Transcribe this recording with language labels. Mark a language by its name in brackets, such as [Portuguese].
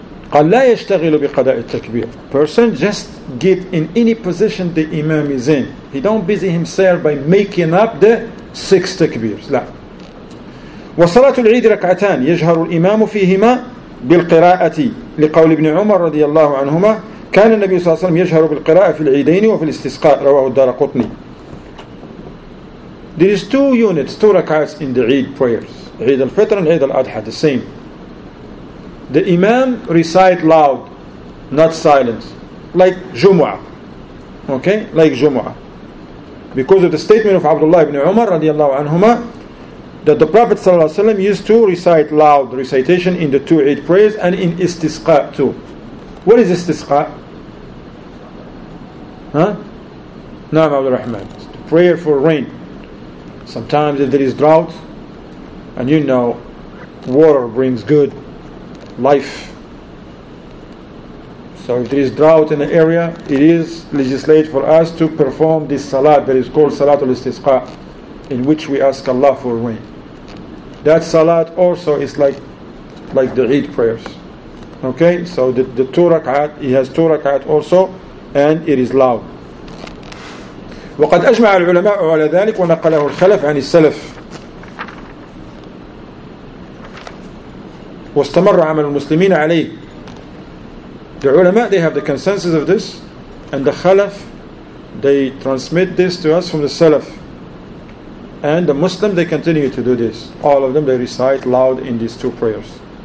[Arabic] قال لا يشتغل بقضاء التكبير. [English] Person just get in any position the Imam is in. He don't busy himself by making up the six takbirs. لا. [Arabic] وصلاة العيد ركعتان يجهر الإمام فيهما بالقراءة لقول ابن عمر رضي الله عنهما كان النبي صلى الله عليه وسلم يجهر بالقراءة في العيدين وفي الاستسقاء رواه الدارقطني. [English] There is two units, two rak'ats in the Eid prayers. Eid al-Fitr and Eid al-Adha, the same. The Imam recite loud, not silence, like Jumu'ah. Okay, like Jumu'ah. Because of the statement of Abdullah ibn Umar radiallahu anhuma, that the Prophet sallallahu alaihi wasallam used to recite loud recitation in the two Eid prayers and in istisqa too. What is istisqa? Naam Abdul Rahman. It's the prayer for rain. Sometimes if there is drought, and you know, water brings good life. So if there is drought in the area, it is legislated for us to perform this salat that is called Salatul Istisqa, in which we ask Allah for rain. That salat also is like the Eid prayers. Okay, so the two rak'at, he has two rak'at also, and it is loud. [Arabic] وَقَدْ أَجْمَعَ الْعُلَمَاءُ عَلَى ذَلِكُ وَنَقَلَهُ الْخَلَفْ عَنِ السَّلَفِ واستمر عمل المسلمين عليه. [English] The ulama, they have the consensus of this, and the khalaf, they transmit this to us from the salaf, and the Muslim, they continue to do this. All of them, they recite loud in these two prayers.